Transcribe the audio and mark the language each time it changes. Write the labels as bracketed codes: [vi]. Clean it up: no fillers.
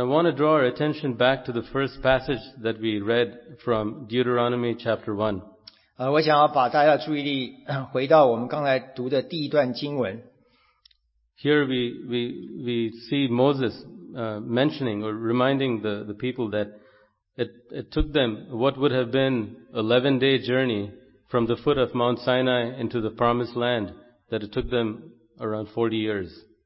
[en] I want to draw our attention back to the first passage that we read from Deuteronomy chapter 1. [zh] 我想要把大家的注意力回到我们刚才读的第一段经文。 [en] Here we see Moses mentioning or reminding the people that it took them what would have been 11-day journey from the foot of Mount Sinai into the Promised Land, that it took them around 40 years.